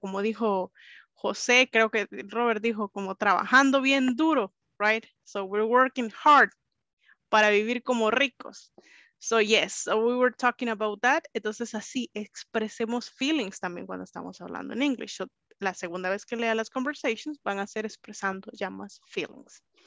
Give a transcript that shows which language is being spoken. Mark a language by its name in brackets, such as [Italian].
[Spanish] Como dijo José, creo que Robert dijo, como trabajando bien duro, right? [English] So we're working hard [Spanish] para vivir como ricos. [English] So yes, so we were talking about that. [Spanish] Entonces así expresemos feelings también cuando estamos hablando en inglés. So, la segunda vez que lea las conversations van a ser expresando ya más feelings.